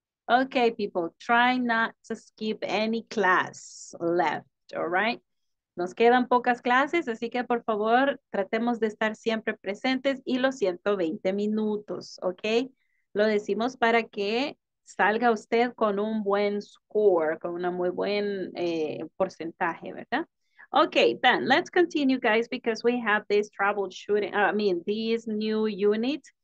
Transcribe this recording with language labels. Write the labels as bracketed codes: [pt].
[en] Okay, people, try not to skip any class left, all right? [es] Nos quedan pocas clases, así que por favor, tratemos de estar siempre presentes y los 120 minutos, ¿ok? Lo decimos para que salga usted con un buen score, con un muy buen porcentaje, ¿verdad? [en] Ok, then, let's continue, guys, because we have this troubleshooting, this new unit.